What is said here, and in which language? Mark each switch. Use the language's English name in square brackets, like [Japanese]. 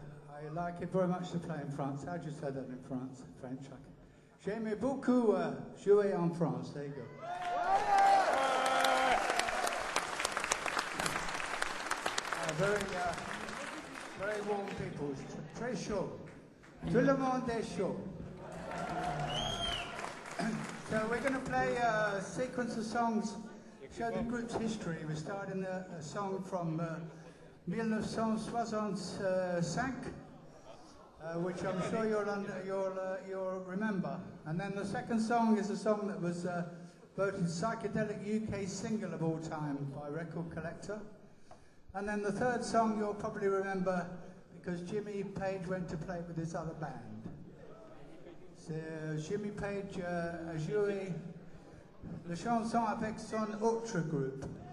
[English] I like it very much to play in France. How'd you say that in France? French. [French] J'aime beaucoup jouer en France. [English] There you go. Very warm people. [French] Très chaud. Tout le monde est chaud. [English] So we're going to play a sequence of songs, show the group's history. We're starting a song from 1965, which I'm sure you'll remember. And then the second song is a song that was voted psychedelic UK single of all time by Record Collector. And then the third song you'll probably remember because Jimmy Page went to play with his other band. [French] So Jimmy Page a joué la chanson avec son autre groupe.